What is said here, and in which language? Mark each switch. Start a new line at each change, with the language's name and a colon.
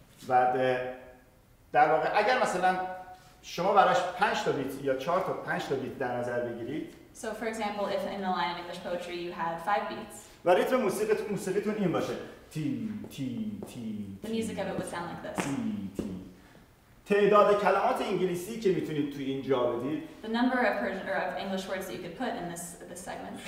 Persian: و در واقع اگر مثلا شما براش 5 تا بیت یا 4 تا 5 تا بیت در نظر بگیرید
English: so for example if in the line of English poetry you had 5 beats
Persian: و ریتم موسیقیتون این باشه تین تین تین
English: the music of it would sound like this
Persian: تین تین تعداد کلمات انگلیسی که میتونید توی این جا بدید
English: the number of Persian or of English words that you could put in this segment